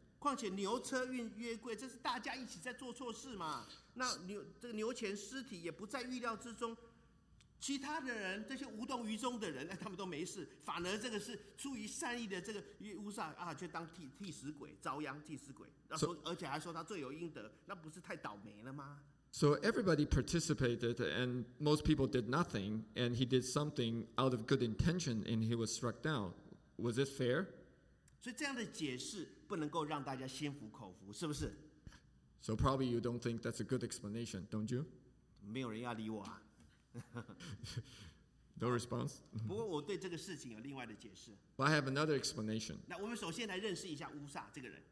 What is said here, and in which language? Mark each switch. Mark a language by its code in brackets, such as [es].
[zh] 况且牛车运约柜，这是大家一起在做错事嘛？那牛前尸体也不再预料之中，其他的人这些无动于衷的人，哎，他们都没事，反而这个是出于善意的这个乌撒啊，却当替死鬼遭殃替死鬼，而且还说他罪有应得，那不是太倒霉了吗？So [en] everybody participated, and most people did nothing, and he did something out of good intention, and he was struck down. Was it fair? [zh] 所以这样的解释不能够让大家心服口服，是不是？ [en] So probably you don't think that's a good explanation, don't you? [zh] 没有人要理我啊。 [en] No response. [zh] 不过我对这个事情有另外的解释。 [en] But I have another explanation. [zh] 那我们首先来认识一下乌撒这个人。